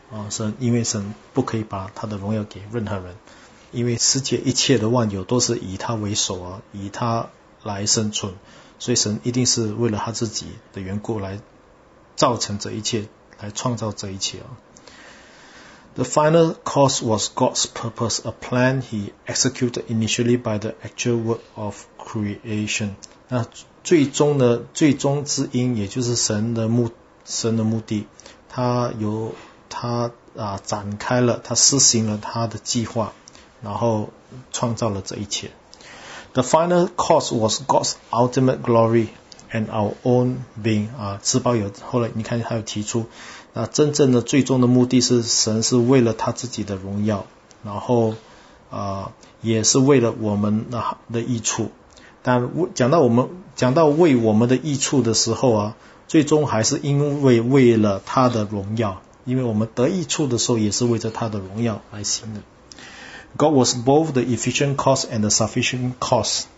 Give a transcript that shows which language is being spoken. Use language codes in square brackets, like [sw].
[zh] 神，因为神不可以把他的荣耀给任何人，因为世界一切的万有都是以他为首以他来生存，所以神一定是为了他自己的缘故来造成这一切，来创造这一切 [en] The final cause was God's purpose, a plan he executed initially by the actual work of creation. [zh] 那最终呢，最终之因，也就是神的目的，他展开了，他施行了他的计划，然后创造了这一切。 [en] The final cause was God's ultimate glory and our own being. [zh] 自保有，后来你看他有提出，真正的最终的目的是神是为了他自己的荣耀，然后也是为了我们的益处。但讲到为我们的益处的时候最终还是因为为了他的荣耀，因为我们得益处的时候也是为着他的荣耀来行的。 [en] God was both the efficient cause and the sufficient cause.